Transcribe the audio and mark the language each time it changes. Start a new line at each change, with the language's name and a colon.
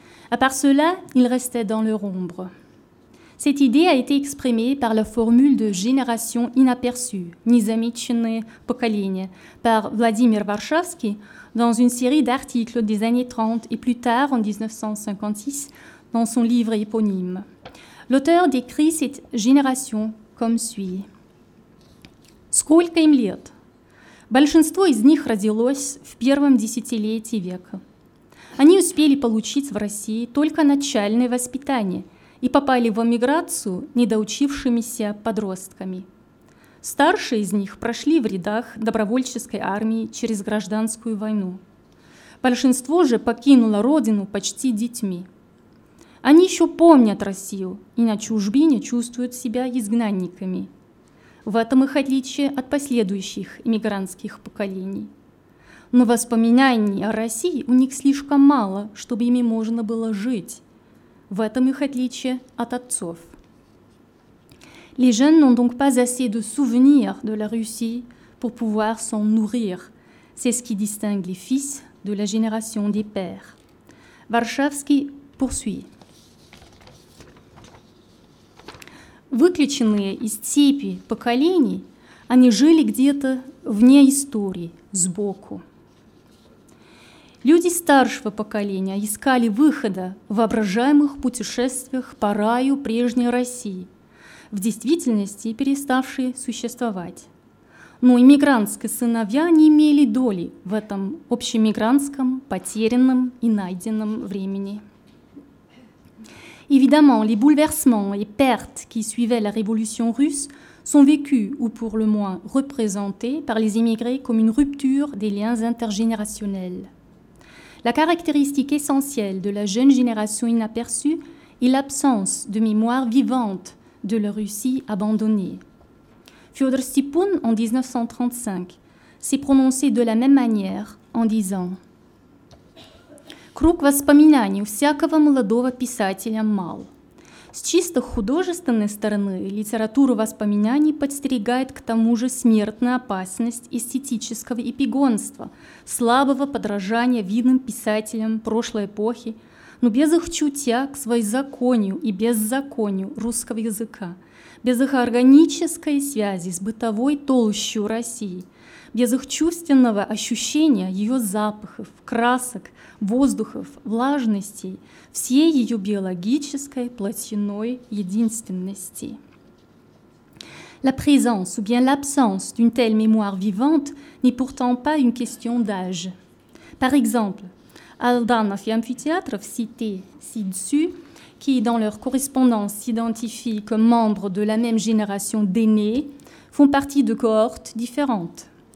French: À part cela, ils restaient dans leur ombre. Cette idée a été exprimée par la formule de génération inaperçue,
Russian: незамеченное поколение,
French: par Vladimir Varshavsky dans une série d'articles des années 30 et plus tard, en 1956, dans son livre éponyme. L'auteur décrit cette génération comme suit.
Russian: Сколько им лет? Большинство из них родилось в первом десятилетии века. Они успели получить в России только начальное воспитание и попали в эмиграцию недоучившимися подростками. Старшие из них прошли в рядах добровольческой армии через гражданскую войну. Большинство же покинуло родину почти детьми. Они еще помнят Россию и на чужбине чувствуют себя изгнанниками. В этом их отличие от последующих эмигрантских поколений. Но воспоминаний о России у них слишком мало, чтобы ими можно было жить. В этом их отличие от отцов.
French: Les jeunes n'ont donc pas assez de souvenirs de la Russie pour pouvoir s'en nourrir. C'est ce qui distingue les fils de la génération des pères. Варшавский poursuit.
Russian: Выключенные из цепи поколений, они жили где-то вне истории, сбоку. Люди старшего поколения искали выхода в воображаемых путешествиях по раю прежней России, в действительности переставшей существовать. Но иммигрантские сыновья не имели доли в этом общемигрантском, потерянном и найденном времени.
French: Évidemment, les bouleversements et pertes qui suivaient la révolution russe sont vécus ou pour le moins représentés par les immigrés comme une rupture des liens intergénérationnels. La caractéristique essentielle de la jeune génération inaperçue est l'absence de mémoire vivante de la Russie abandonnée. Fyodor Stepun, en 1935, s'est prononcé de la même manière en disant «
Russian: Круг воспоминаний у всякого молодого писателя мал. С чисто художественной стороны литература воспоминаний подстерегает к тому же смертную опасность эстетического эпигонства, слабого подражания видным писателям прошлой эпохи, но без их чутья к своезаконию и беззаконию русского языка, без их органической связи с бытовой толщей России, без их чувственного ощущения ее запахов, красок, воздухов, влажностей, всей ее биологической плотяной единственности.
French: La présence ou bien l'absence d'une telle mémoire vivante n'est pourtant pas une question d'âge. Par exemple, Aldana et Amphithéâtre, cités ci-dessus, qui dans leur correspondance s'identifient comme membres de la même génération d'aînés, font partie de cohortes différentes.